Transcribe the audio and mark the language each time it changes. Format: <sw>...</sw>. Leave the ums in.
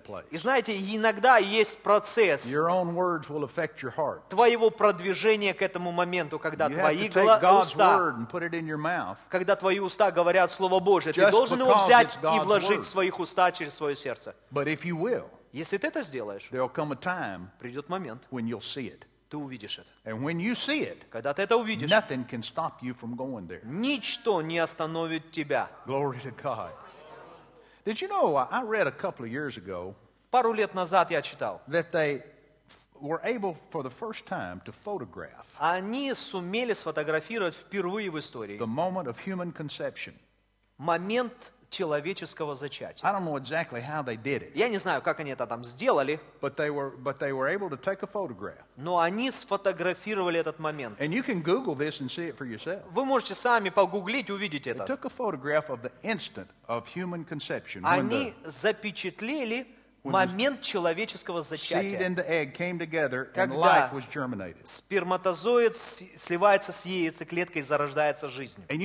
<ru>И знаете, иногда есть процесс твоего продвижения к этому моменту, когда твои go- уста,</ru> <en>mouth,</en> <ru>когда твои уста говорят Слово Божие, ты должен его взять и God's вложить в своих уста через свое сердце.</ru> <en>Will,</en> <ru>Если ты это сделаешь, придет момент, ты увидишь это.</ru> <en>And when you see it,</en> <ru>Когда ты это увидишь,</ru> <en>nothing can stop you from going there.</en> <ru>ничто не остановит тебя.</ru> <en>Glory to God. Did you know, I read a couple of years ago,</en> <ru>Пару лет назад я читал,</ru> <en>that they were able for the first time to photograph</en> <ru>они сумели сфотографировать впервые в истории</ru> <en>the moment of human conception.</en> <ru>момент человеческого зачатия.</ru> <en>I don't know exactly how they did it.</en> <ru>Я не знаю, как они это там сделали.</ru> <en>But they were, but they were able to take a photograph.</en> <ru>Но они сфотографировали этот момент.</ru> <en>And you can Google this and see it for yourself.</en> <ru>Вы можете сами погуглить, увидеть это.</ru> <en>They took a photograph of the instant of human conception.</en> <ru>Они the... запечатлели момент человеческого зачатия. Когда сперматозоид сливается с яйцеклеткой и зарождается жизнь.</ru>